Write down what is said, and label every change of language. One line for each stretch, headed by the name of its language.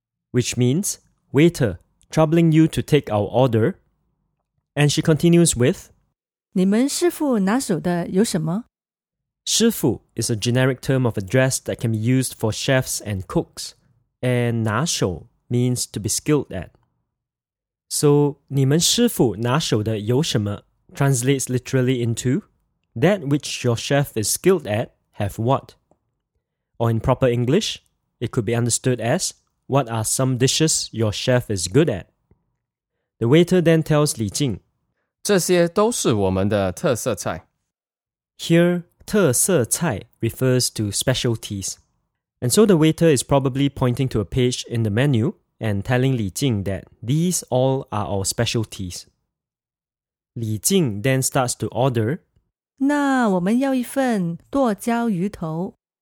English: Which means, waiter, troubling you to take our order. And she continues with,
Chinese: 你们师傅拿手的有什么?
English: 师傅 is a generic term of address that can be used for chefs and cooks. And 拿手 means to be skilled at.
Chinese: So, 你们师傅拿手的有什么?
English: Translates literally into, that which your chef is skilled at, have what? Or in proper English, it could be understood as, what are some dishes your chef is good at? The waiter then tells Li Jing,
Chinese: 这些都是我们的特色菜。
English: Here, 特色菜 refers to specialties. And so the waiter is probably pointing to a page in the menu and telling Li Jing that these all are our specialties. Li Jing then starts to order,
Chinese: 那我们要一份剁椒鱼头。